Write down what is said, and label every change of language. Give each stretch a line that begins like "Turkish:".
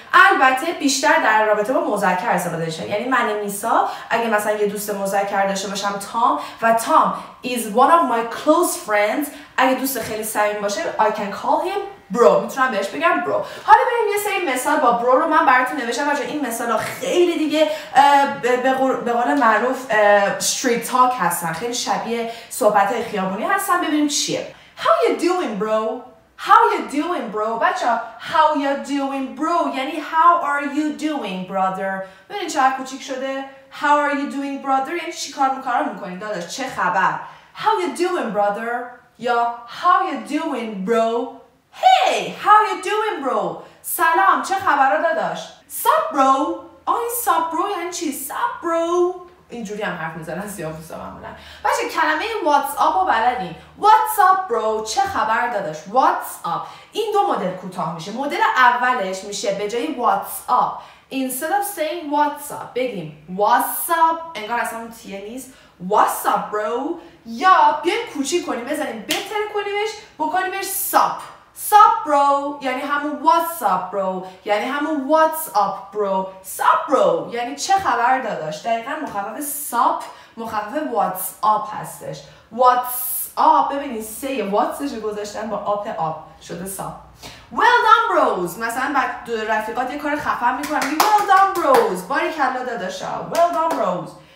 Persian: البته بیشتر در رابطه با مذکر استفاده میشه، یعنی من میسا اگه مثلا یه دوست مذکر داشته باشم تام و تام
English: is one of my close friends،
Persian: اگه دوست خیلی صمیمی باشه
English: I can call him
Persian: برو، میتونم بهش بگم برو. حالا بریم یه سری مثال با برو رو من براتون نوشتم، چون این مثال ها خیلی دیگه به قول معروف street talk هستن، خیلی شبیه صحبت های خیابونی هستن. ببینیم چیه.
English: How you doing bro? How you doing bro? بچه how you doing bro یعنی how are you doing brother.
Persian: ببینید چه کوچیک شده.
English: How are you doing brother
Persian: یعنی چی کار میکنی داداش، چه خبر.
English: How you doing brother یا how you doing bro. Hey, how you doing bro?
Persian: سلام، چه خبر داداش؟ Sup bro؟ آی sup bro یعنی چی؟ Sup bro؟ اینجوری هم حرف میزنن سیاه‌پوستا معمولا. بچه کلمه واتس اپ رو بلدی؟ واتس اپ برو، چه خبر داداش؟ واتس اپ. این دو مدل کوتاه میشه. مدل اولش میشه به جای واتس اپ، instead of saying واتس اپ بگیم واتس اپ، انگار اصلا اون تیه نیست، واتس اپ برو. یا بیایم کوچیک کنیم، بزنیم بهتر کنیمش، بکنیمش sup.
English: Sup bro
Persian: یعنی همون
English: what's up bro، یعنی همون what's up bro.
Persian: Sup bro یعنی چه خبر داداش، دقیقا مخفف sup مخفف what's up هستش. What's up ببینید سه what'sش رو گذاشتن با up up شده sup.
English: Well done bros،
Persian: مثلا بعد دو رفیقات یه کار خفن میکنن، well done bros، باریکلا داداشا، well done bros.